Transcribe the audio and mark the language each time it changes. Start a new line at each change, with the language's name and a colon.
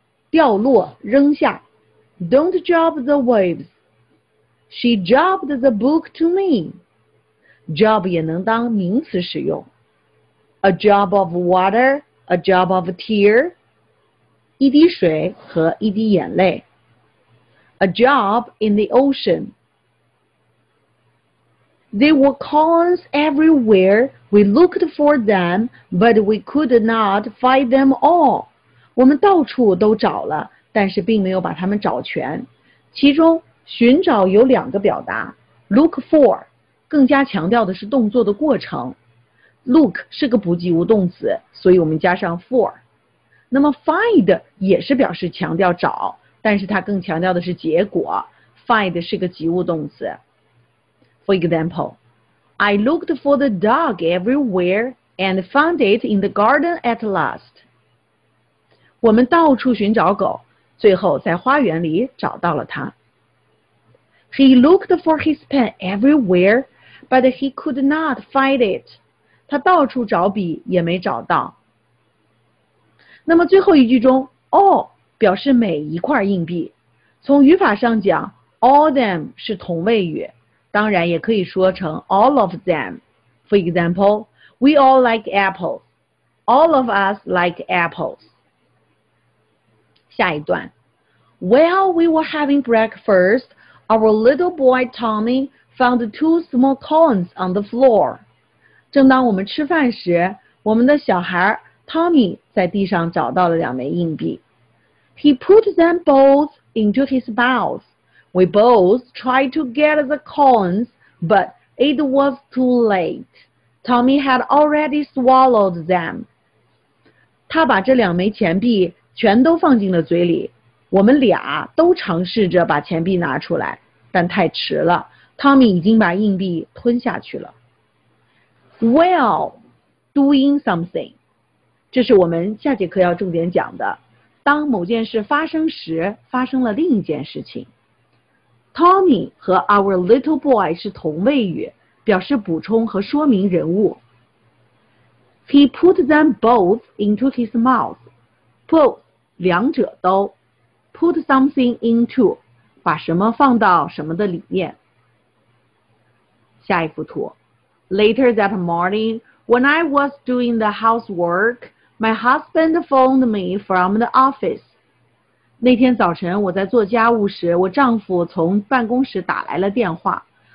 Chinese: 掉落扔下
English: don't drop the waves, she dropped the book to me, drop
Chinese: 也能当名词使用
English: a drop of water, a drop of tear,
Chinese: 一滴水和一滴眼泪
English: a drop in the ocean,There were coins everywhere. We looked for them, but we could not find them all.
Chinese: 我们到处都找了，但是并没有把它们找全。其中，寻找有两个表达 ，look for， 更加强调的是动作的过程。 Look 是个不及物动词，所以我们加上 for。那么 find 也是表示强调找，但是它更强调的是结果。 Find 是个及物动词。
English: For example, I looked for the dog everywhere and found it in the garden at last.
Chinese: 我们到处寻找狗，最后在花园里找到了它。
English: He looked for his pen everywhere, but he could not find it.
Chinese: 他到处找笔也没找到。那么最后一句中 all 表示每一块硬币。从语法上讲 all them 是同位语。当然也可以说成
English: all of them. For example, we all like apples. All of us like apples.
Chinese: 下一段
English: While we were having breakfast, our little boy Tommy found 2 small coins on the floor.
Chinese: 正当我们吃饭时，我们的小孩 Tommy 在地上找到了两枚硬币。
English: He put them both into his mouth. We both tried to get the cones, but it was too late. Tommy had already swallowed them.
Chinese: 他把这两枚钱币全都放进了嘴里。我们俩都尝试着把钱币拿出来，但太迟了。 Tommy 已经把硬币吞下去了。
English: While doing something，
Chinese: 这是我们下节课要重点讲的。当某件事发生时，发生了另一件事情。 Tommy 和
English: our little boy
Chinese: 是同位语，表示补充和说明人物。
English: He put them both into his mouth. Both
Chinese: 两者都。
English: Put something into，
Chinese: 把什么放到什么的里面。下一幅图。
English: Later that morning, when I was doing the housework, my husband phoned me from the office.
Chinese: 那天早晨我在做家务时，我丈夫从办公室打来了电话。